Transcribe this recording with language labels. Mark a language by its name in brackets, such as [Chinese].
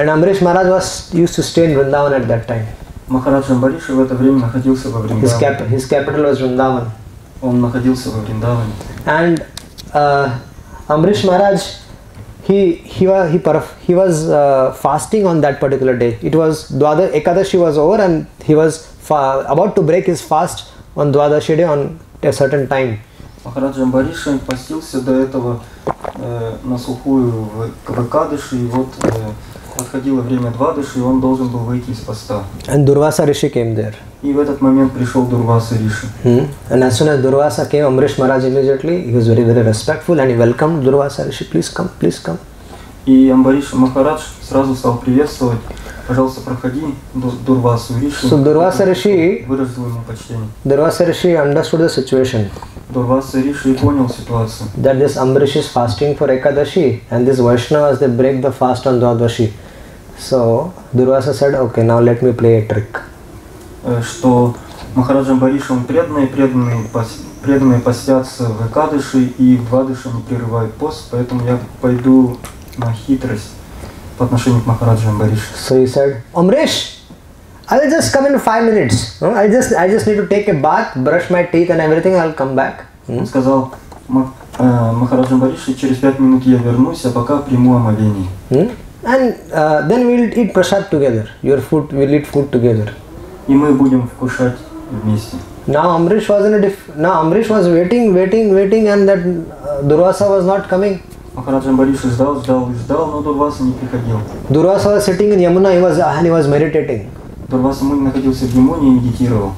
[English] And Amrish Maharaj was used to stay in Vrindavan at that time. [Russian] Махарадж Амбариша в это время находился во Вриндаване. [English] His capital was Vrindavan. [Russian] Он находился во Вриндаване. [English] And Amrish Maharaj he was fasting on that particular day. It was Ekadashi was over and he was about to break his fast on Dwadashi day on a certain time. [Russian] Махарадж Амбариша постился до этого на сухую в Экадаши, и вот подходило время Двадаши, и он должен был выйти из поста. [English] And Durvasa Rishi came there. [Russian] И в этот момент пришел Durvasa Rishi. [English] And as soon as Durvasa came, Amrish Maharaj immediately, he was very, very respectful and he welcomed Durvasa Rishi. Please come. [Russian] И Амбариш Махарадж сразу стал приветствовать. Пожалуйста, проходи, Durvasa Rishi. [English] So Durvasa Rishi [Russian] выразил ему почтение. [English] Durvasa Rishi understood the situation. [Russian] Durvasa Rishi понял ситуацию. [English] That this Amrish is fasting for Ekadashi and this Vaishnavas, they break the fast on Dwadashi. So Durvasa said, okay, now let me play a trick. [Russian] Что Махарадж Амбариш, он преданные постятся в Экадаши и в Двадаши не прерывают пост, поэтому я пойду на хитрость по отношению к Махараджу Амбаришу. [English] So he said, Amrish, I'll just come in 5 minutes. I just need to take a bath, brush my teeth and everything, I'll come back. [Russian] Он сказал, Махараджу Амбаришу, через 5 минут я вернусь, а пока приму омовение. [English] And then we'll eat prasad together. Your food, we'll eat food together. [Russian] И мы будем вкушать вместе. [English] Now Amrish was waiting, and that Durvasa was not coming. [Russian] Махарадж Амбариша ждал, но Дурваса не приходил. [English] Durvasa was sitting in Yamuna, he was meditating. [Russian] Дурваса Муни находился в Ямуне и медитировал.